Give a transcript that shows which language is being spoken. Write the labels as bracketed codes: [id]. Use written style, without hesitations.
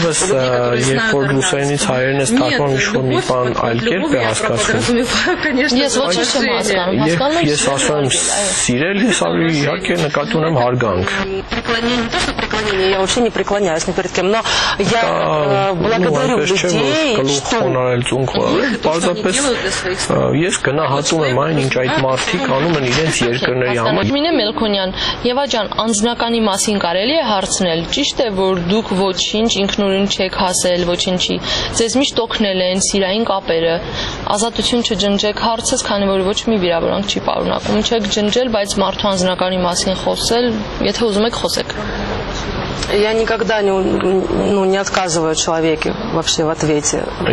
[ru] я не преклоняюсь ни перед кем, но я благодарю людей, что [hy] ես գնահատում եմ այն, ինչ այդ մարդը մարդիկ անում են իրենց երկրների համար։ Մինե Մելքոնյան, Եվա ջան, անձնականի մասին կարելի է հարցնել, ճիշտ է, որ դուք ոչինչ ինքնուրույն չեք հասել, ոչինչի, ձեզ միշտ օգնել են սիրային կապերը, ազատություն չջնջեք, հարցս, քանի որ ոչ մի վիրավորանք չի պարունակում, չեք ջնջել, բայց մարդու անձնականի մասին խոսել, եթե ուզում եք խոսեք։ [ru] Я никогда не, ну, не отказываю человеку вообще в ответе.